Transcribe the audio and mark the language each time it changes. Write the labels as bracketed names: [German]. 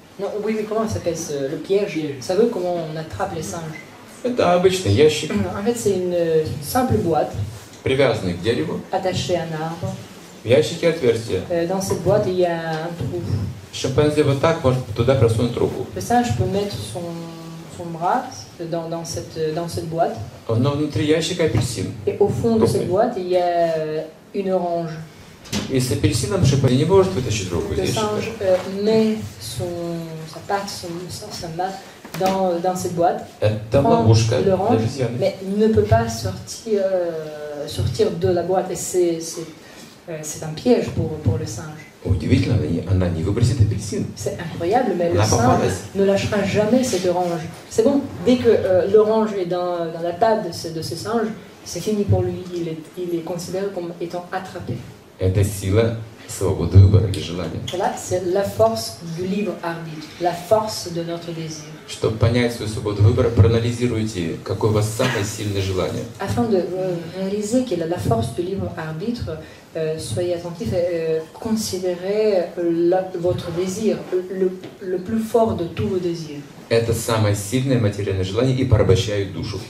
[French] Non, oui, mais comment ça s'appelle le piège? Savez-vous comment on attrape les singes? [Russian] Это обычный ящик. [French] En fait, c'est une simple boîte. [Russian] Привязанный к дереву. [French] Attaché à un arbre. [Russian] В ящике отверстие. [French] Dans cette boîte, il y a un trou. [Russian] Шимпанзе вот так может туда просунуть руку. [French] Le singe peut mettre son bras. dans cette boîte. [Russian] Но внутри ящика апельсин. [French] Et au fond de cette boîte, il y a une orange. [Russian] И с апельсином Шипари не может вытащить руку из ящика. [French] Met son, sa patte, sa main dans cette boîte. [Russian] Это ловушка для обезьяны. [French] Mais il ne peut pas sortir de la boîte. Et c'est un piège pour le singe. [Russian] Удивительно, она не выбросит апельсин. [French] C'est incroyable, mais le singe ne lâchera jamais cette orange. C'est bon, dès que l'orange est dans la table de ce singe, c'est fini pour lui. Il est considéré comme étant attrapé. [Russian] Это сила свободы выбора или желания. [French] Là, c'est la force du libre arbitre, la force de notre désir. [Russian] Чтобы понять свою свободу выбора, проанализируйте, какое у вас самое сильное желание. [French] Afin de réaliser quelle est la force du libre arbitre, soyez attentif et considérez votre désir le plus fort de tous vos désirs. [Russian] Это самое сильное материальное желание и порабощает душу.